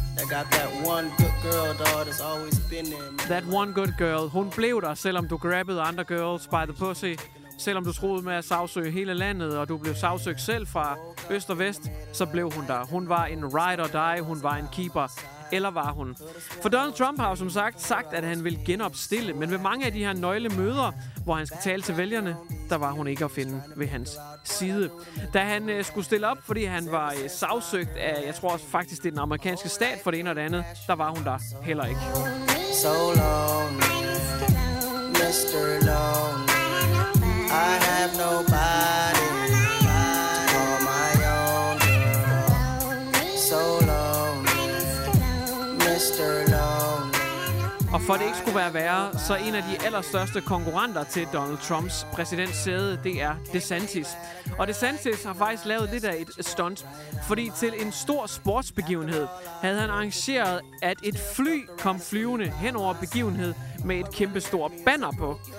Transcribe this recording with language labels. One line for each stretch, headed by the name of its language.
English: got that one good girl, dog, that's always been there. That one good girl,
Danish: hun blev der, selvom du grabbede andre
English: girls by the pussy.
Danish: Selvom du troede med at sagsøge hele landet, og du blev sagsøgt selv fra øst og vest, så blev hun der. Hun var en ride or die, hun var en keeper. Eller var hun? For Donald Trump har som sagt, at han vil genopstille. Men ved mange af de her nøgle møder, hvor han skal tale til vælgerne, der var hun ikke at finde ved hans side. Da han skulle stille op, fordi han var sagsøgt af, jeg tror faktisk, det er den amerikanske stat for det ene og det andet, der var hun der heller ikke.
English: So long, Mr. Long. I have nobody but on my own, girl. So lonely, Mr. Lonely.
Danish: Og for det ikke skulle være værre, så en af de allerstørste konkurrenter til Donald Trumps præsidentsæde, det er DeSantis. Og DeSantis har faktisk lavet lidt af et stunt, fordi til en stor sportsbegivenhed havde han arrangeret, at et fly kom flyvende hen over begivenhed med et kæmpestort banner på.